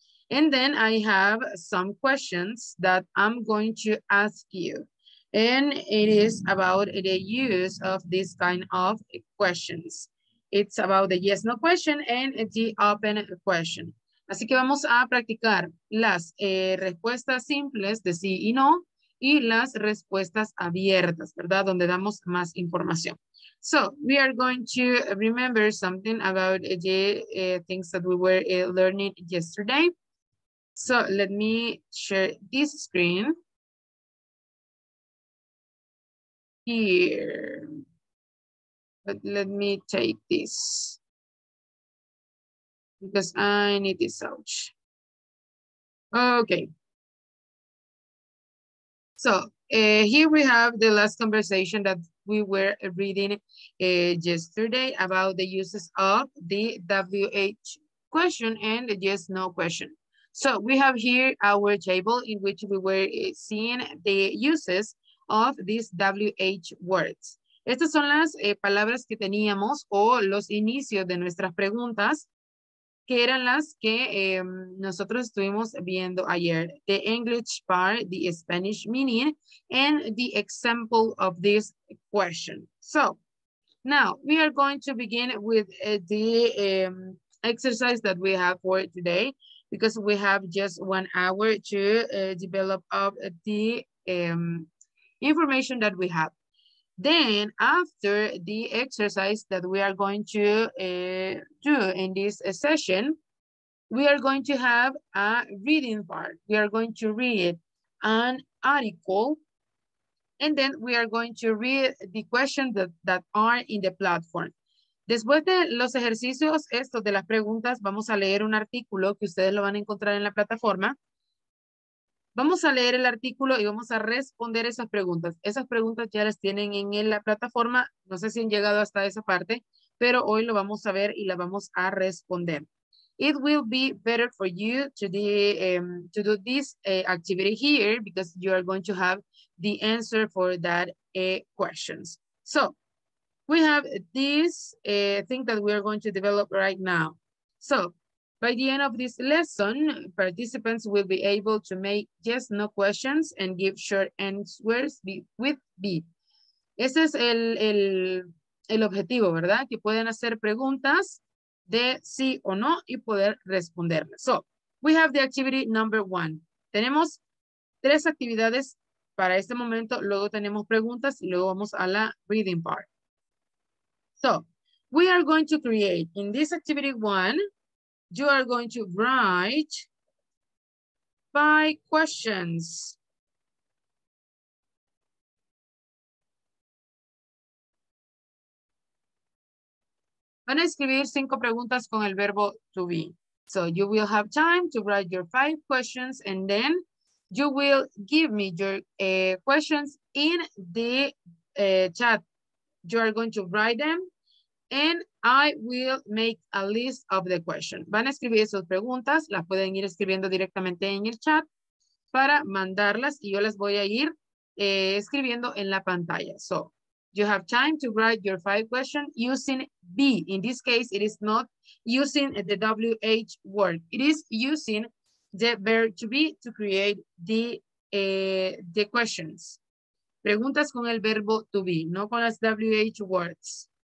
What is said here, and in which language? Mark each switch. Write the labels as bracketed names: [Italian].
[English] And then I have some questions that I'm going to ask you. And it is about the use of this kind of questions. It's about the yes, no question and the open question. [Spanish] Así que vamos a practicar las respuestas simples de sí y no. Y las respuestas abiertas, ¿verdad? Donde damos más información. [English] So, we are going to remember something about the things that we were learning yesterday. So, let me share this screen. Here. But let me take this. Because I need this out. Okay. So here we have the last conversation that we were reading yesterday about the uses of the WH question and the yes, no question. So we have here our table in which we were seeing the uses of these WH words. [Spanish] Estas son las palabras que teníamos o los inicios de nuestras preguntas, que eran las que nosotros estuvimos viendo ayer. [English] The English part, the Spanish meaning, and the example of this question. So, now we are going to begin with the exercise that we have for today, because we have just 1 hour to develop up the information that we have. Then after the exercise that we are going to do in this session, we are going to have a reading part. We are going to read an article and then we are going to read the questions that are in the platform. [Spanish] Después de los ejercicios, estos de las preguntas, vamos a leer un artículo que ustedes lo van a encontrar en la plataforma. Vamos a leer el artículo y vamos a responder esas preguntas. Esas preguntas ya las tienen en la plataforma. No sé si han llegado hasta esa parte, pero hoy lo vamos a ver y la vamos a responder. [English] It will be better for you to do this activity here because you are going to have the answer for that questions. So we have this thing that we are going to develop right now. So by the end of this lesson, participants will be able to make yes, no questions and give short answers with B. [Spanish] Ese es el objetivo, ¿verdad? Que pueden hacer preguntas de sí o no y poder responderlas. [English] So, we have the activity number 1. [Spanish] Tenemos 3 actividades para este momento. Luego tenemos preguntas y luego vamos a la [English] reading part. So, we are going to create in this activity 1, you are going to write 5 questions. [Spanish] Van a escribir 5 preguntas con el verbo to be. [English] So you will have time to write your 5 questions and then you will give me your questions in the chat. You are going to write them and I will make a list of the questions. [Spanish] Van a escribir sus preguntas, las pueden ir escribiendo directamente en el chat para mandarlas y yo las voy a ir escribiendo en la pantalla. [English] So you have time to write your 5 questions using be. In this case, it is not using the WH word. It is using the verb to be to create the questions. [Spanish] Preguntas con el verbo to be, no con las WH words.